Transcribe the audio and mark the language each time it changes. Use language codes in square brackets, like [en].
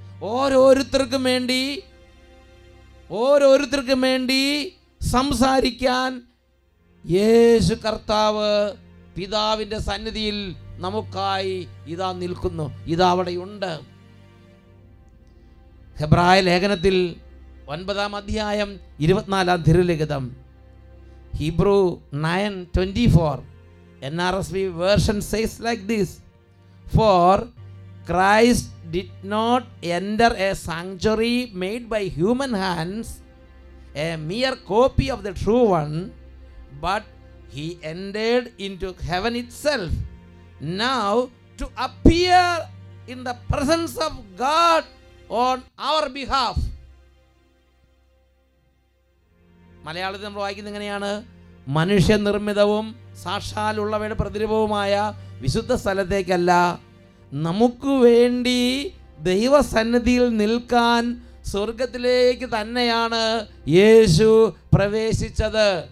[ml] ഓരോരുത്തർക്കും വേണ്ടി, ഓരോരുത്തർക്കും വേണ്ടി സംസാരിക്കാൻ യേശു കർത്താവ് പിതാവിൻ്റെ സന്നിധിയിൽ നമുക്കായി ഇതാ നിൽക്കുന്നു, ഇതവിടെയുണ്ട്. ഹെബ്രായ ലേഖനത്തിൽ 9:24 [en] Hebrews 9:24 NRSV version says like this: For Christ did not enter a sanctuary made by human hands, a mere copy of the true one, but he entered into heaven itself now to appear in the presence of God on our behalf. [ml] മലയാളത്തിൽ നമ്മൾ വായിക്കുന്നത് എങ്ങനെയാണ്? മനുഷ്യനിർമ്മിതവും സാക്ഷാൽ ഉള്ളവയുടെ പ്രതിരൂപവുമായ വിശുദ്ധ സ്ഥലത്തേക്കല്ല, നമുക്ക് വേണ്ടി ദൈവസന്നിധിയിൽ നിൽക്കാൻ സ്വർഗത്തിലേക്ക് തന്നെയാണ് യേശു പ്രവേശിച്ചത്.